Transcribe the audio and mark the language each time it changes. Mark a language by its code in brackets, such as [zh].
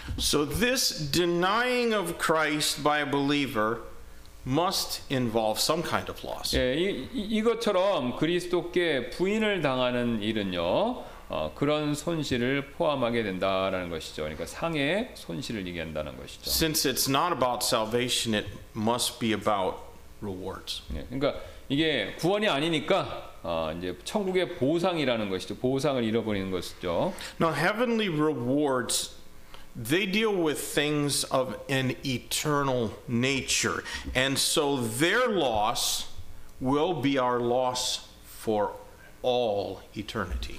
[en] So this denying of Christ by a believer must involve some kind of loss. [ko] 예, 이것처럼 그리스도께 부인을 당하는 일은요, 그런 손실을 포함하게 된다라는 것이죠. 그러니까 상의 손실을 얘기한다는 것이죠. [en] Since it's not about salvation, it must be about rewards. [ko] 예, 그러니까 이게 구원이 아니니까 이제 천국의 보상이라는 것이죠. 보상을 잃어버리는 것이죠. [en] Now, heavenly rewards, they deal with things of an eternal nature. And so their loss will be our loss for all eternity.